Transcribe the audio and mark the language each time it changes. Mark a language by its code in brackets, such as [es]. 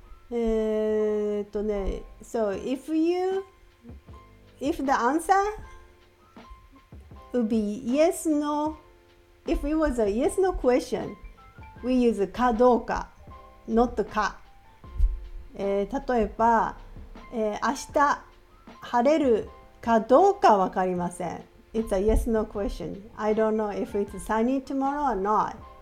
[en] So if the answer would be yes no, if it was a yes no question, we use かどうか not か。 [ja] 例えば、明日晴れるかどうかわかりません。 [en] It's a yes no question. I don't know if it's sunny tomorrow or not.